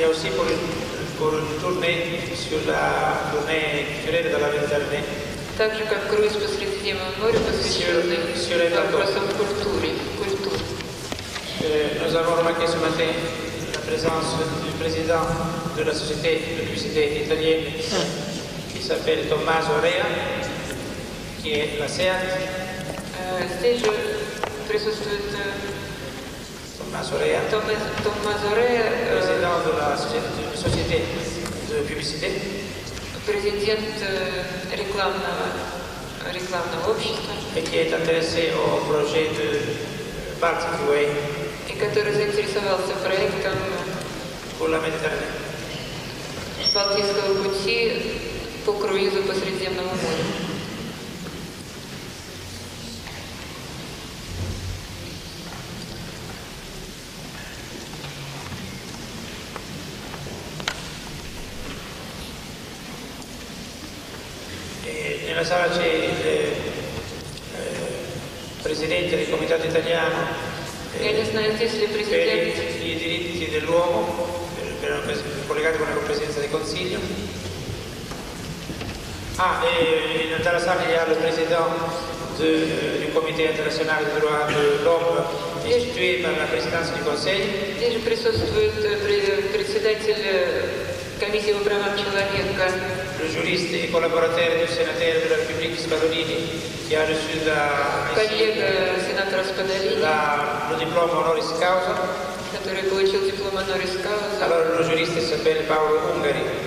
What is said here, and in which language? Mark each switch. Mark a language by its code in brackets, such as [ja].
[ru] Я [fr] aussi pour une tournée sur la tournée culturelle de la Méditerranée. [ru] Так же, как круиз по Средиземному морю, посвященный вопросам культуры. [fr] Nous avons remarqué ce matin la présence du président de la société de publicité italienne qui s'appelle Tommaso Rea, qui est la SEAT. [ru] Здесь же присутствует [fr] Tommaso Rea, président de la société de publicité. [ru] Президент рекламного общества. И [fr] qui est intéressé au projet de Particuway. [ru] И который заинтересовался проектом [fr] pour la Méditerranée. [ru] Балтийского пути по круизу по Средиземному морю. [it] Nella sala c'è il presidente del Comitato Italiano per i diritti dell'uomo, collegato con la presidenza del Consiglio. Ah, e nella sala c'è il presidente del Comitato Internazionale dei Diritti dell'Uomo, istituito per la presidenza del Consiglio. Qui c'è il presidente del Comitato Internazionale dei Diritti dell'Uomo. [fr] Le juriste et collaborateur du sénateur de la République Spadolini qui a reçu le diplôme honoris causa. Alors le juriste s'appelle Paolo Ungari.